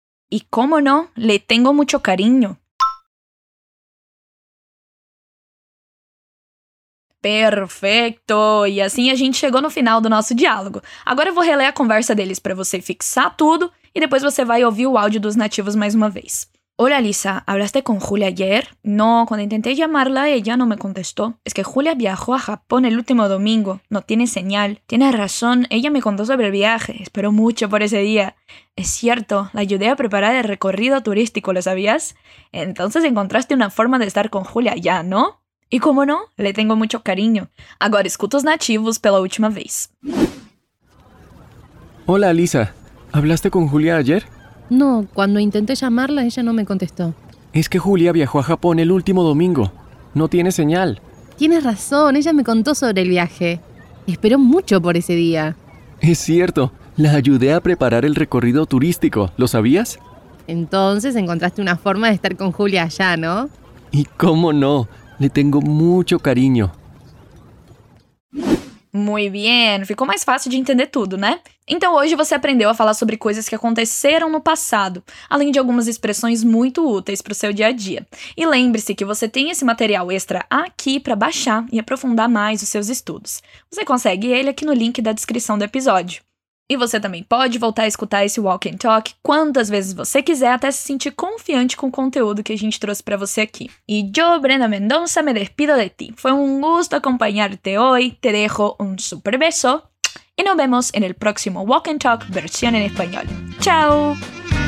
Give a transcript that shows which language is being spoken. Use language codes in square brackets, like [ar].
[pt] E como não? [es] Le tengo mucho cariño. [pt] Perfeito! E assim a gente chegou no final do nosso diálogo. Agora eu vou reler a conversa deles para você fixar tudo e depois você vai ouvir o áudio dos nativos mais uma vez. [es] Hola, Lisa. ¿Hablaste con Julia ayer? No, cuando intenté llamarla, ella no me contestó. Es que Julia viajó a Japón el último domingo. No tiene señal. Tienes razón. Ella me contó sobre el viaje. Esperó mucho por ese día. Es cierto. La ayudé a preparar el recorrido turístico, ¿lo sabías? Entonces encontraste una forma de estar con Julia ya, ¿no? Y como no, le tengo mucho cariño. Ahora escucho los nativos pela última vez. Hola, Lisa. ¿Hablaste con Julia ayer? No, cuando intenté llamarla, ella no me contestó. Es que Julia viajó a Japón el último domingo. No tiene señal. Tienes razón, ella me contó sobre el viaje. Esperó mucho por ese día. Es cierto, la ayudé a preparar el recorrido turístico, ¿lo sabías? Entonces encontraste una forma de estar con Julia allá, ¿no? Y cómo no, le tengo mucho cariño. Muy bien, [pt] ficou mais fácil de entender tudo, né? Então hoje você aprendeu a falar sobre coisas que aconteceram no passado, além de algumas expressões muito úteis para o seu dia a dia. E lembre-se que você tem esse material extra aqui para baixar e aprofundar mais os seus estudos. Você consegue ele aqui no link da descrição do episódio. E você também pode voltar a escutar esse Walk and Talk quantas vezes você quiser até se sentir confiante com o conteúdo que a gente trouxe para você aqui. [es] E yo, Brenda Mendonça, me despido de ti. Foi um gusto acompanhar-te hoy. Te dejo um super beso. E nos vemos en el próximo Walk and Talk versión en español. Tchau!